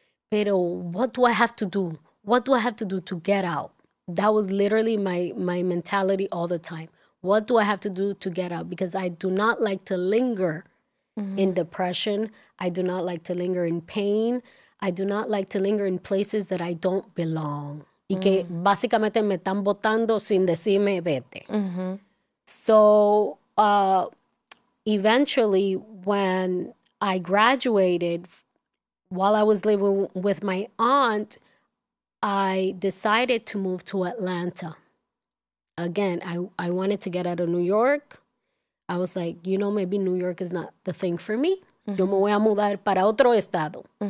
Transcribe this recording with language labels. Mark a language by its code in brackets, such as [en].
[en] Pero what do I have to do? What do I have to do to get out? That was literally my mentality all the time. What do I have to do to get out? Because I do not like to linger in depression. I do not like to linger in pain. I do not like to linger in places that I don't belong. [es] Y que básicamente me están botando sin decirme vete. [en] So eventually, when I graduated, while I was living with my aunt, I decided to move to Atlanta. Again, I wanted to get out of New York. I was like, you know, maybe New York is not the thing for me. [es] Yo me voy a mudar para otro estado.